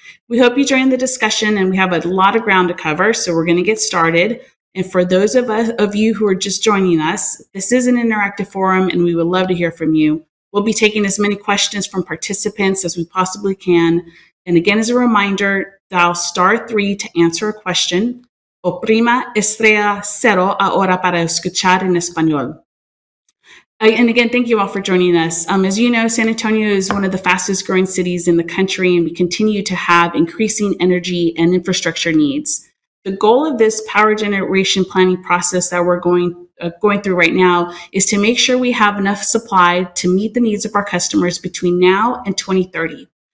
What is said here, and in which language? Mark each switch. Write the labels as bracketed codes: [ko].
[en] We hope you join the discussion, and we have a lot of ground to cover, so we're going to get started. And for those of you who are just joining us, this is an interactive forum, and we would love to hear from you. We'll be taking as many questions from participants as we possibly can. And again, as a reminder, dial *3 to answer a question. [es] Oprima estrella cero ahora para escuchar en español. [en] And again, thank you all for joining us. As you know, San Antonio is one of the fastest growing cities in the country, and we continue to have increasing energy and infrastructure needs. The goal of this power generation planning process that we're going through right now is to make sure we have enough supply to meet the needs of our customers between now and 2030.